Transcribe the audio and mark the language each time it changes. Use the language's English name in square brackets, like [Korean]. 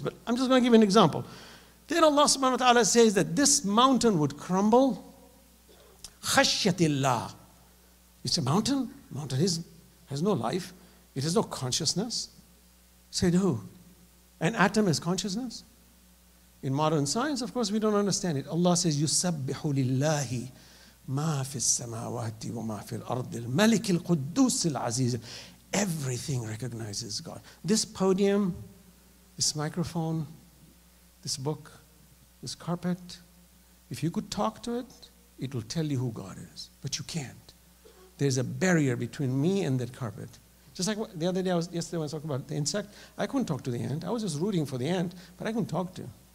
[English] But I'm just going to give you an example. Then Allah subhanahu wa ta'ala says that this mountain would crumble. Khashyatillah. It's a mountain. Mountain has no life. It has no consciousness. Said who? An atom has consciousness? In modern science, of course, we don't understand it. Allah says, [Arabic] يُسَبِّحُ لِلَّهِ مَا فِي السَّمَاوَاتِ وَمَا فِي الْأَرْضِ الْمَلِكِ الْقُدُّسِ الْعَزِيزِ. [English] Everything recognizes God. This podium, this microphone, this book, this carpet, if you could talk to it, it will tell you who God is. But you can't. There's a barrier between me and that carpet. Just like the other day, yesterday when I was talking about the insect, I couldn't talk to the ant. I was just rooting for the ant, but I couldn't talk to him.